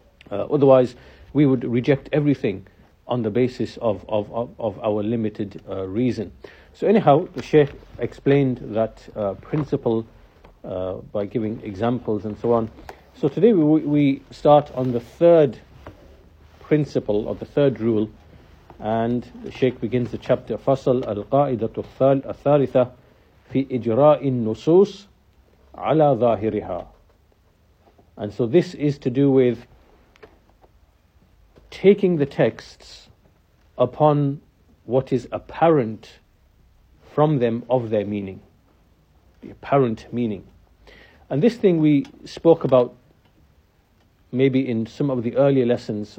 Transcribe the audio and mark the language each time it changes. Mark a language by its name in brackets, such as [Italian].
[English] Otherwise, we would reject everything on the basis of our limited reason. So anyhow, the Shaykh explained that principle by giving examples and so on. So today we start on the third principle, or the third rule. And the Shaykh begins the chapter, [Arabic] فَصَلْ أَلْقَائِدَةُ الثَّالِثَ فِي إِجْرَاءِ النُّصُوصِ عَلَى ظَاهِرِهَا. [English] And so this is to do with taking the texts upon what is apparent from them of their meaning, the apparent meaning. And this thing we spoke about maybe in some of the earlier lessons.